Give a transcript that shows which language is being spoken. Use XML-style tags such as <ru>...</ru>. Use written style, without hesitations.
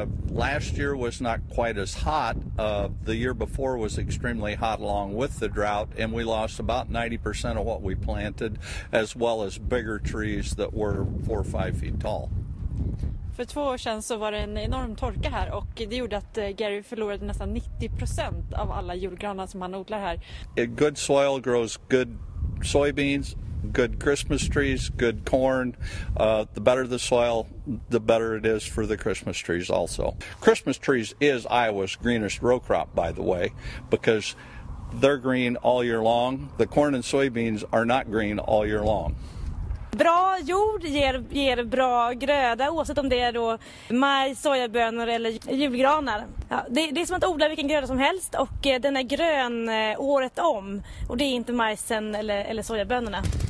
<en>Last year was not quite as hot. The year before was extremely hot along with the drought. And we lost about 90% of what we planted, as well as bigger trees that were 4 or 5 feet tall.</en> <sv>För 2 år sedan så var det en enorm torka här och det gjorde att Gary förlorade nästan 90% av alla julgranar som han odlar här.</sv> <en>A good soil grows good soybeans, good Christmas trees, good corn. The better the soil, the better it is for the Christmas trees also. Christmas trees is Iowa's greenest row crop, by the way, because they're green all year long. The corn and soybeans are not green all year long.</en> <sv>Bra jord ger bra gröda, oavsett om det är då majs, sojabönor eller julgranar. Ja, det är som att odla vilken gröda som helst och den är grön året om. Och det är inte majsen eller sojabönorna.</sv>